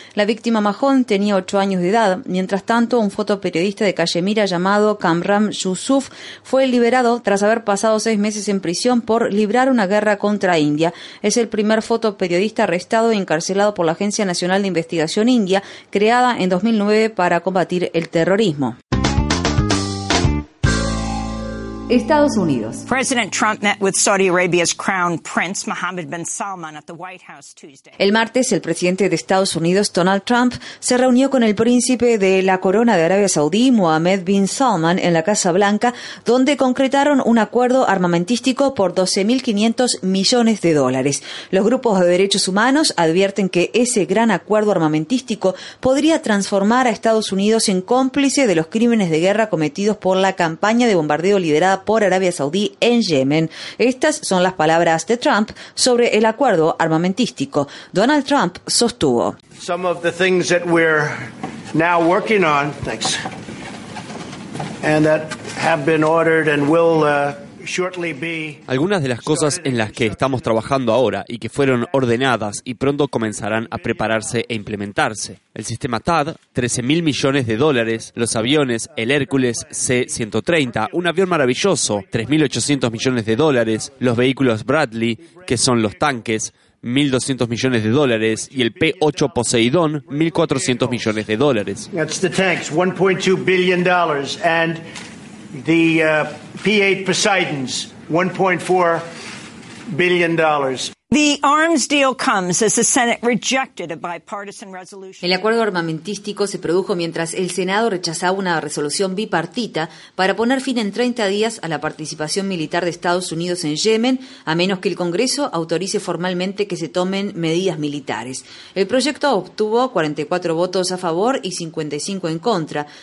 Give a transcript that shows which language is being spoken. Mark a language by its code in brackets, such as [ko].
[es] La víctima Mahon tenía 8 años de edad. Mientras tanto, un fotoperiodista de Kashmir llamado Kamram Yusuf fue liberado tras haber pasado 6 meses en prisión por librar una guerra contra India. Es el primer fotoperiodista arrestado y encarcelado por la Agencia Nacional de Investigación India, creada en 2009 para combatir el terrorismo. Estados Unidos. [en] President Trump met with Saudi Arabia's crown prince Mohammed bin Salman at the White House Tuesday. [es] El martes, el presidente de Estados Unidos, Donald Trump, se reunió con el príncipe de la corona de Arabia Saudí, Mohammed bin Salman, en la Casa Blanca, donde concretaron un acuerdo armamentístico por 12.500 millones de dólares. Los grupos de derechos humanos advierten que ese gran acuerdo armamentístico podría transformar a Estados Unidos en cómplice de los crímenes de guerra cometidos por la campaña de bombardeo liderada por Arabia Saudí en Yemen. Estas son las palabras de Trump sobre el acuerdo armamentístico. Donald Trump sostuvo: [en] Some of the things that we're now working on, thanks, and that have been ordered and will [es] Algunas de las cosas en las que estamos trabajando ahora y que fueron ordenadas y pronto comenzarán a prepararse e implementarse. El sistema TAD, 13.000 millones de dólares, los aviones, el Hércules C-130, un avión maravilloso, 3.800 millones de dólares, los vehículos Bradley, que son los tanques, 1.200 millones de dólares, y el P-8 Poseidón, 1.400 millones de dólares. [en] That's the tanks, $1.2 billion, and the P-8 Poseidons, $1.4 billion. The arms deal comes as the Senate rejected a bipartisan resolution. [es] El acuerdo armamentístico se produjo mientras el Senado rechazaba una resolución bipartita para poner fin en 30 días a la participación militar de Estados Unidos en Yemen, a menos que el Congreso autorice formalmente que se tomen medidas militares. El proyecto obtuvo 44 votos a favor y 55 en contra.